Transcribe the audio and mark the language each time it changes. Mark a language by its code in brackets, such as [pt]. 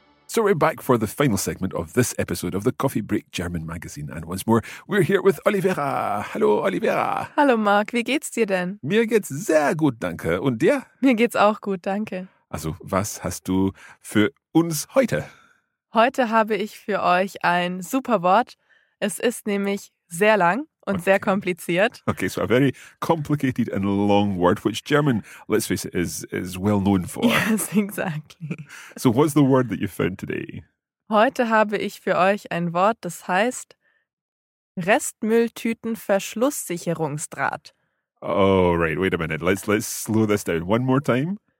[en] So we're back for the final segment of this episode of the Coffee Break German magazine. And once more, we're here with Olivera. [de] Hallo, Olivera. Hallo, Marc. Wie geht's dir denn? Mir geht's sehr gut, danke. Und dir? Mir geht's auch gut, danke. Also, was hast du für uns heute? Heute habe ich für euch ein super Wort. Es ist nämlich sehr lang und sehr kompliziert. [en] Okay, so a very complicated and long word, which German, let's face it, is well known for. Yes, exactly. So what's the word that you found today? [de] Heute habe ich für euch ein Wort, das heißt Restmülltütenverschlusssicherungsdraht. [en] Oh, right, wait a minute. Let's slow this down one more time.